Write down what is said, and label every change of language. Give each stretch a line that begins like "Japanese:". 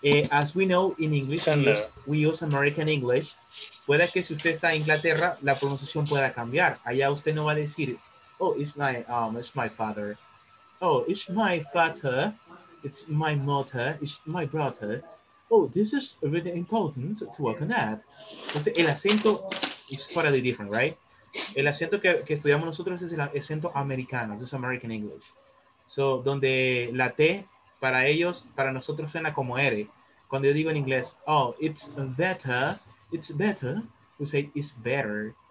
English: As we know, in English, we use American English.
Spanish: Puede que si usted está en Inglaterra, la pronunciación pueda cambiar. Allá usted no va a decir,
English: oh, it's my father. Oh, it's my father. It's my mother. It's my brother. Oh, this is really important to work on that.
Spanish: Entonces, el acento
English: is totally different, right?
Spanish: El acento que estudiamos nosotros es el acento americano.
English: It's American English.
Spanish: So, donde la T para ellos, para nosotros suena como R. Cuando yo digo en inglés,
English: oh, it's better, we say it's better.